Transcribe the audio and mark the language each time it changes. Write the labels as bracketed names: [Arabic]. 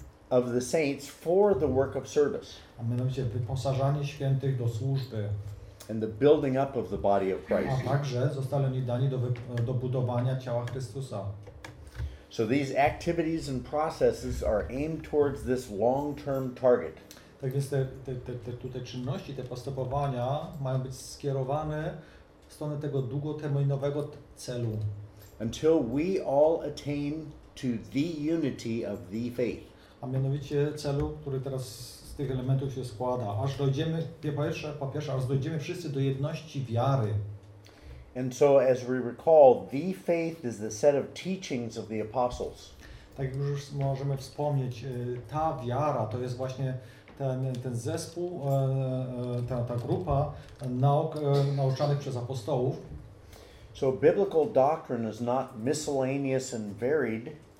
[English] Of the saints for the work of service. [Polish] A mianowicie wyposażanie świętych do służby. [English] And the building up of the body of Christ. [Polish] A także zostali oni dani do budowania ciała Chrystusa. [English] So these activities and processes are aimed towards this long-term target. [Polish] Tak więc te czynności, te postępowania mają być skierowane w stronę tego długoterminowego celu. [English] Until we all attain to the unity of the faith. [Polish] A mianowicie celu, który teraz z tych elementów się składa. Aż dojdziemy, po pierwsze, aż dojdziemy wszyscy do jedności wiary. [English] And so as we recall, the faith is the set of teachings of the apostles. [Polish] Tak już możemy wspomnieć, ta wiara to jest właśnie ten zespół, ta grupa nauk nauczanych przez apostołów. [English] So biblical doctrine is not miscellaneous and varied.